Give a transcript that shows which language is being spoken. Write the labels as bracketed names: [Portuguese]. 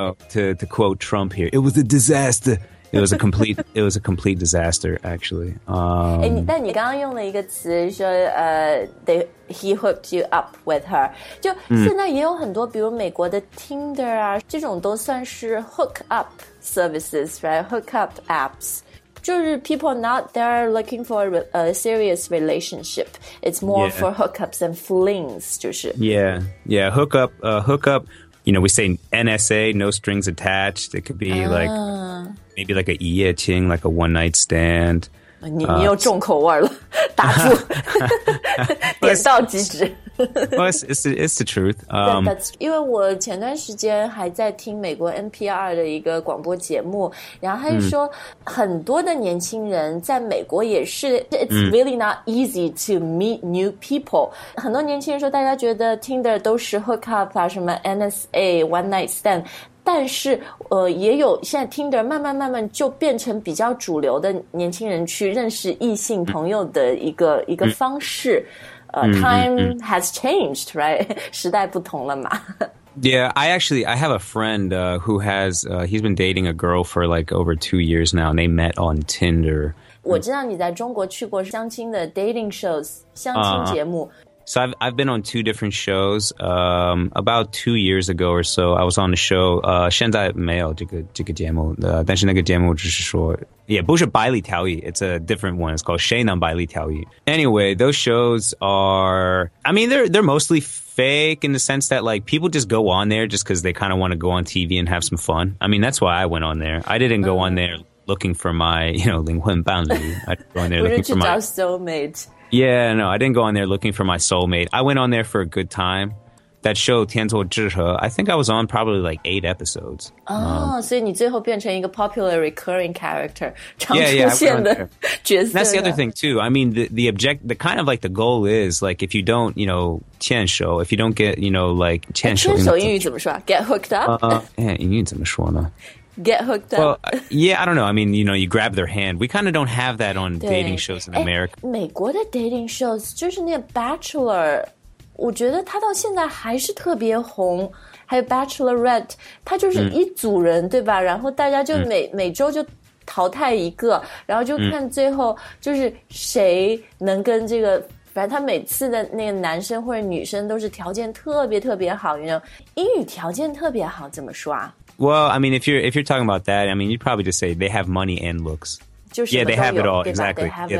[English] To quote Trump here, it was a disaster. It was a complete disaster, actually. [Chinese] 但你刚刚用了一个词说 [English] he hooked you up with her. [Chinese] 就现在也有很多比如美国的 Tinder 啊这种都算是 [English] hook up services, right? Hook up apps. [Chinese] 就是 [English] people not there looking for a serious relationship. It's more for hookups and flings, [Chinese] 就是。 [English] Yeah, yeah, hookup, you know, we say NSA, no strings attached. It could be like, maybe like a 一夜情, like a one night stand. [Chinese] 你又重口味了打住点到即止。 [English] Well, it's the truth. [Chinese] That's, 因为我前段时间还在听美国 NPR 的一个广播节目，然后他说很多的年轻人在美国也是 [English] It's really not easy to meet new people. [Chinese] 很多年轻人说大家觉得 Tinder 都是 hook up 啊，什么 NSA, one night stand。但是也有现在 Tinder 慢慢就变成比较主流的年轻人去认识异性朋友的一个方式。 [English] Time has changed, right? [Chinese] 时代不同了嘛。 [English] Yeah, I have a friend who has, he's been dating a girl for like over 2 years now, and they met on Tinder. [Chinese] 我知道你在中国去过相亲的 dating shows, 相亲节目。 [English] So I've been on two different shows. About 2 years ago or so, I was on the show. [Chinese] 现在没有这个节目。但是那个节目就是说，也不是百里挑一， [English] it's a different one. It's called 谁能百里挑一。 Anyway, those shows are, I mean, they're mostly fake in the sense that like people just go on there just because they kind of want to go on TV and have some fun. I mean, that's why I went on there. I didn't go on there looking for my, you know, 灵魂伴侣. I didn't go on there looking for my soulmate. Yeah, no, I didn't go on there looking for my soulmate. I went on there for a good time. That show, 天作之合, I think I was on probably like 8 episodes. Oh, so you [Chinese] 最后变成一个 [English] popular recurring character, [Chinese] 常出现的角色。 [English] That's the other thing too. I mean, the kind of like the goal is like if you don't, you know, 牵手, if you don't get, you know, like 牵手。 [Chinese] 牵手英语怎么说? [English] Get hooked up? [Chinese] 英语怎么说呢? [English] Get hooked up. Well, yeah, I don't know. I mean, you know, you grab their hand. We kind of don't have that on dating shows in America. [Chinese] 美国的 dating shows, 就是那个 Bachelor, 我觉得他到现在还是特别红。还有 Bachelorette, 他就是一组人对吧?然后大家就每周就淘汰一个,然后就看最后就是谁能跟这个反正他每次的那个男生或者女生都是条件特别特别好 [English] you know? [Chinese] 英语条件特别好怎么说啊 [English] Well, I mean, if you're talking about that, I mean, you'd probably just say they have money and looks. Yeah, they have it all. Exactly.